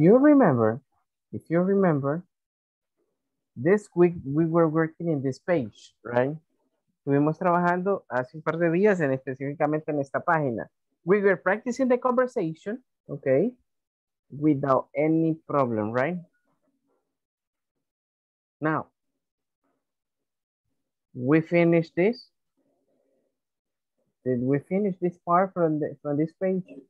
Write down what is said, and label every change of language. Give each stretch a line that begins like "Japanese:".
English: If you remember, this week we were working in this page, right?
Spanish: Estuvimos trabajando hace un par de días en específicamente en esta página.
English: We were practicing the conversation, okay, without any problem, right? Now, we finished this. Did we finish this part from the, from this page?